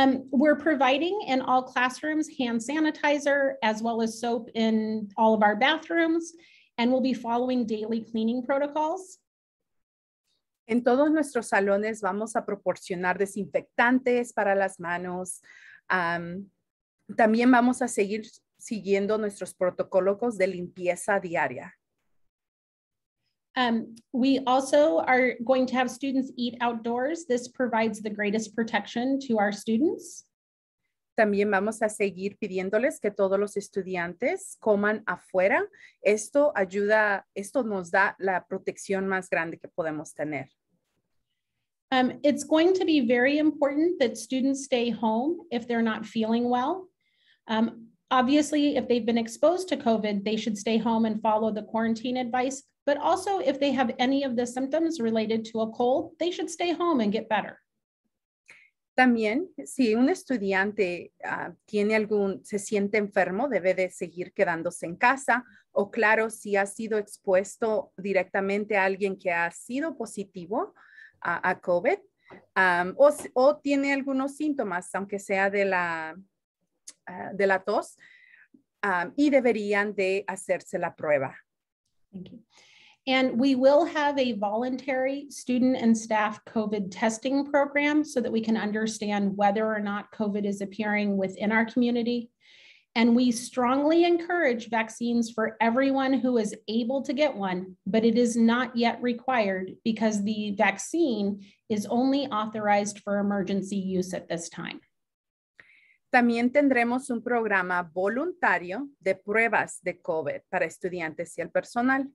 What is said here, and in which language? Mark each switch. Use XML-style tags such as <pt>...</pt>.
<en>We're providing in all classrooms hand sanitizer as well as soap in all of our bathrooms, and we'll be following daily cleaning protocols.</en> <es>En todos nuestros salones vamos a proporcionar desinfectantes para las manos. También vamos a seguir siguiendo nuestros protocolos de limpieza diaria.</es> <en>We also are going to have students eat outdoors. This provides the greatest protection to our students.</en> <es>También vamos a seguir pidiéndoles que todos los estudiantes coman afuera. Esto ayuda, esto nos da la protección más grande que podemos tener.</es> <en>It's going to be very important that students stay home if they're not feeling well. Obviously, if they've been exposed to COVID, they should stay home and follow the quarantine advice. But also, if they have any of the symptoms related to a cold, they should stay home and get better.</en> <es>También, si un estudiante se siente enfermo, debe de seguir quedándose en casa. O claro, si ha sido expuesto directamente a alguien que ha sido positivo a COVID, o tiene algunos síntomas, aunque sea de la tos, y deberían de hacerse la prueba.</es> <en>Thank you. And we will have a voluntary student and staff COVID testing program so that we can understand whether or not COVID is appearing within our community. And we strongly encourage vaccines for everyone who is able to get one, but it is not yet required because the vaccine is only authorized for emergency use at this time.</en> <es>También tendremos un programa voluntario de pruebas de COVID para estudiantes y el personal.</es>